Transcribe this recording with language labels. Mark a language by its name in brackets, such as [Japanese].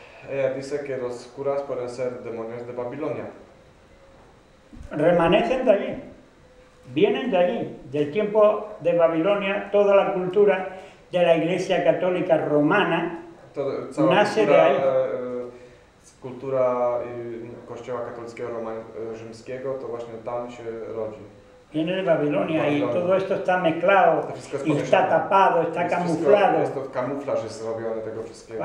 [Spanish] Ella dice que los curas pueden ser demonios de Babilonia. Remanecen de allí, vienen de allí, del tiempo de Babilonia, toda la cultura de la Iglesia Católica Romana to, nace cultura, de ahí. [Polish] Cultura Kościoła Katolickiego Rzymskiego to właśnie tam się rodzi. [Spanish] Viene de Babilonia y todo esto está mezclado, y está tapado, está camuflado. [Polish] Jest to kamuflaż jest zrobiony tego wszystkiego.